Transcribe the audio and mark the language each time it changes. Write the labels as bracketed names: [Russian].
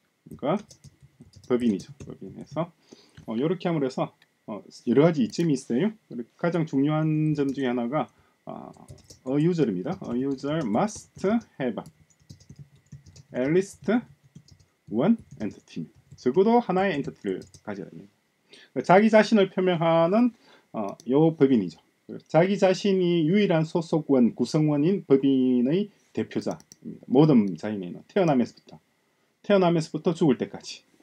[Korean] 자연인과 법인이죠. 법인에서 이렇게 함으로 해서 여러 가지 이점이 있어요. 그리고 가장 중요한 점 중에 하나가 a user입니다. [English] A user must have at least one entity. [Korean] 적어도 하나의 엔티티를 가져야 합니다. 자기 자신을 표명하는 이 법인이죠. 자기 자신이 유일한 소속원, 구성원인 법인의 대표자입니다. 모든 자연인은 태어나면서부터 죽을 때까지.